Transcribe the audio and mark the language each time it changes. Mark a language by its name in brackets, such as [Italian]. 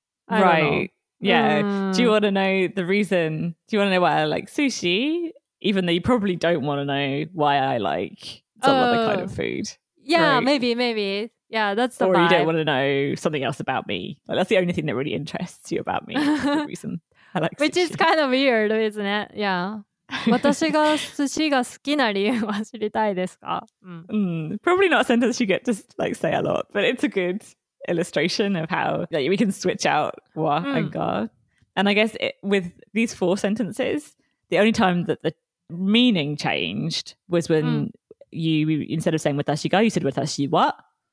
[English] Right. Yeah. Mm. Do you want to know the reason? Do you want to know why I like sushi? Even though you probably don't want to know why I like some other kind of food. Yeah, right? maybe. Yeah, that's the or vibe. Or you don't want to know something else about me. Like, that's the only thing that really interests you about me. The reason. I like which sushi. Is kind of weird, isn't it? Yeah. [Japanese] 私が寿司が好きな理由は知りたいですか? [English] Probably not a sentence you get to like say a lot, but it's a good illustration of how like, we can switch out wa and ga. And I guess with these four sentences, the only time that the meaning changed was when you, instead of saying 私が, you said 私は.